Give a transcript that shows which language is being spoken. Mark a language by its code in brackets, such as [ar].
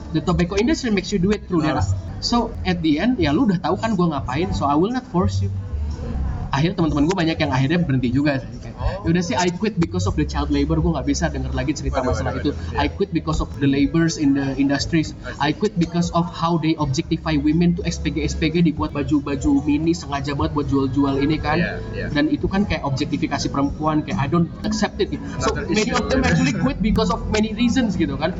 [en] The tobacco industry makes you do it through that. So, at the end [id] ya lu udah tahu kan gua ngapain. [en] So, I will not force you. [id] Akhirnya teman-teman gue banyak yang akhirnya berhenti juga sih. Yaudah sih, [en] I quit because of the child labor. [id] Gue gak bisa denger lagi cerita masalah itu. [en] I quit because of the labors in the industries. I quit because of how they objectify women to [id] SPG-SPG dibuat baju-baju mini sengaja banget buat jual-jual ini kan. Dan itu kan kayak objektifikasi perempuan, kayak [en] I don't accept it. So many of them actually quit because of many reasons [id] gitu kan.